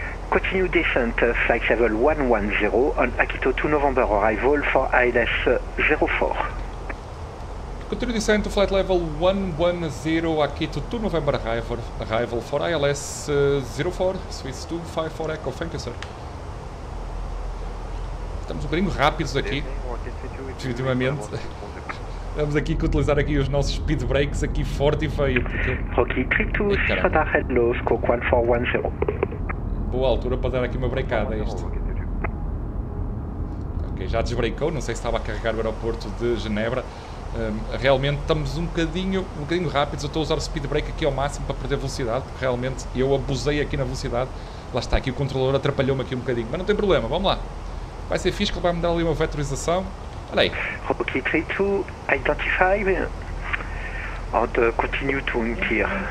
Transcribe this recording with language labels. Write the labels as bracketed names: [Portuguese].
[English] Continue descent flight level 110 on Akito 2 November arrival for ILS 04. Continue descent to flight level 110 Akito 2 November arrival for ILS 04. Swiss 254 Echo, thank you sir. [Portuguese] Estamos um bocadinho rápidos aqui, definitivamente. Estamos aqui com utilizar aqui os nossos speed brakes aqui forte e feio porque... [English] Rocky 32, Swiss Radar Hello, Scope 1410. [Portuguese] Boa altura para dar aqui uma breakada a isto. Ok, já desbreakou, não sei se estava a carregar o aeroporto de Genebra. Realmente estamos um bocadinho rápidos, eu estou a usar o speed brake aqui ao máximo para perder velocidade, porque realmente eu abusei aqui na velocidade. Lá está, aqui o controlador atrapalhou-me aqui um bocadinho, mas não tem problema, vamos lá. Vai ser fixe, ele vai me dar ali uma vetorização. Olha aí. [English] Rocky 32, identify and continue to in clear.